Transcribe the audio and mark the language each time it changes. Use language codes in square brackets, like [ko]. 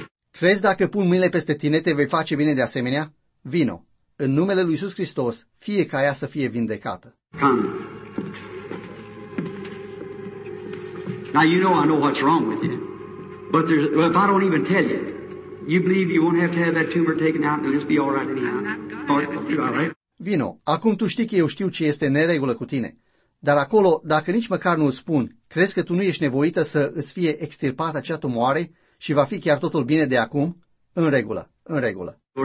[ro] Crezi dacă pun mâinile peste tine, te vei face bine de asemenea? Vino. În numele lui Iisus Hristos, fie ca ea să fie vindecată. [en] Come. Now you know I know what's wrong with you. But if I don't even tell you, you believe you won't have to have that tumor taken out and it'll just be all right anyhow. All right. [ro] Vino. Acum tu știi că eu știu ce este neregulă cu tine. Dar acolo, dacă nici măcar nu îți spun, crezi că tu nu ești nevoită să îți fie extirpată acea tumoare? Și va fi chiar totul bine de acum? În regulă, în regulă.